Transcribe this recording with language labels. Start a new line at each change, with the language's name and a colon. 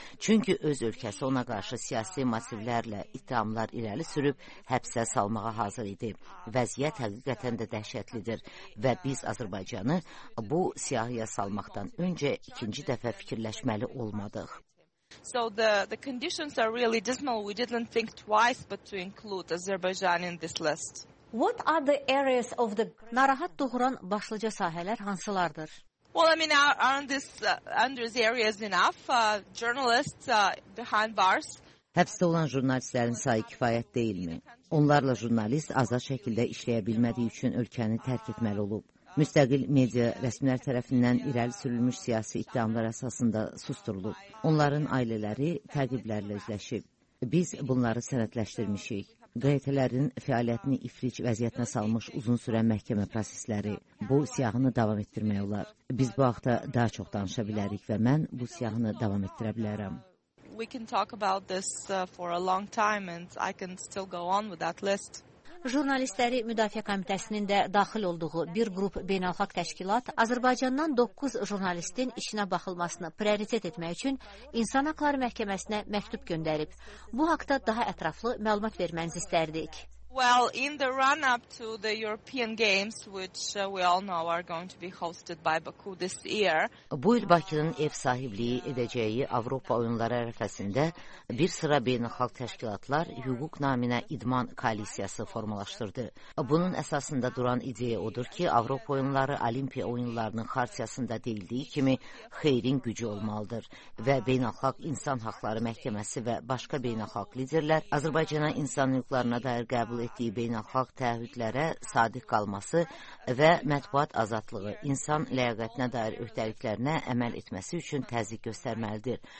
Azerbaijani: Çünki öz ölkəsi ona qarşı siyasi motivlərlə ittihamlar irəli sürüb həbsə salmağa hazır idi. Vəziyyət həqiqətən də dəhşətlidir və biz Azərbaycanı bu siyahıya salmaqdan öncə ikinci dəfə fikirləşməli olmadıq.
English: So the conditions are really dismal. We didn't think twice but to include Azerbaijan in this list. What are the areas of the
Azerbaijani: narahat doğuran başlıca sahələr hansılardır?
English: Well, I mean, aren't these areas enough? Journalists behind bars.
Azerbaijani: Həbsdə olan jurnalistlərin sayı kifayət deyilmi? Onlarla jurnalist azad şəkildə işləyə bilmədiyi üçün ölkəni tərk etməli olub. Müstəqil media rəsmilər tərəfindən irəli sürülmüş siyasi ittihamlar əsasında susturulub. Onların ailələri təqiblərlə üzləşib. Biz bunları sənədləşdirmişik. QYT-lərin fəaliyyətini ifric vəziyyətinə salmış uzun sürən məhkəmə prosesləri, bu siyahını davam etdirmək olar. Biz bu haqda daha çox danışa bilərik və mən bu siyahını davam etdirə bilərəm.
English: We can talk about this for a long time and I can still go on with that list.
Azerbaijani: Jurnalistləri Müdafiə Komitəsinin də daxil olduğu bir qrup beynəlxalq təşkilat Azərbaycandan 9 jurnalistin işinə baxılmasını prioritet etmək üçün İnsan Haqları Məhkəməsinə məktub göndərib. Bu haqda daha ətraflı məlumat verməyinizi istərdik.
English: Well, in the run-up to the European Games, which we all know are going to be hosted by Baku this year.
Azerbaijani: Bu il Bakının ev sahibliği edeceği Avrupa oyunları ərəfəsində bir sıra beynəlxalq təşkilatlar hüquq naminə idman koalisiyası formalaşdırdı. Bunun əsasında duran ideya odur ki, Avropa oyunları Olimpiya oyunlarının xartiyasında deyildiyi kimi xeyrin gücü olmalıdır və Beynəlxalq İnsan Haqları Məhkəməsi və başqa beynəlxalq liderlər Azərbaycana insan hüquqlarına dair qəbul etdiyi beynəlxalq təəhüdlərə sadiq qalması və mətbuat azadlığı, insan ləyaqətinə dair öhdəliklərinə əməl etməsi üçün təzyiq göstərməlidir.